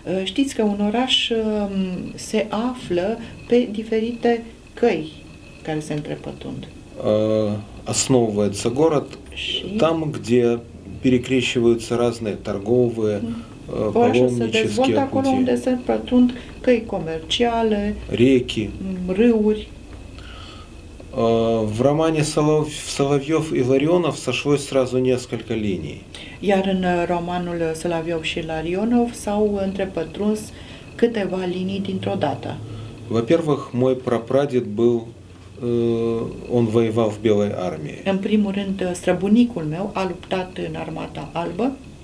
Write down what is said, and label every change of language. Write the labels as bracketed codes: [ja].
[ro] Știți că un oraș se află pe diferite căi care se întrepătund. [ru] Основывается город там, где перекрещиваются разные торговые, паломнические пути. [ro] Acolo unde se întrepătund căi comerciale, [ru] реки, [ro] râuri. [ru] В романе Соловьев и Ларионов сошлось сразу несколько линий. [ro] Iar în romanul Soloviov și Larionov s-au întrepătruns câteva linii dintr-o dată. [ru] Во-первых, мой прапрадед был, он воевал в Белой армии. [ro] În primul rând, străbunicul meu a luptat în armata albă.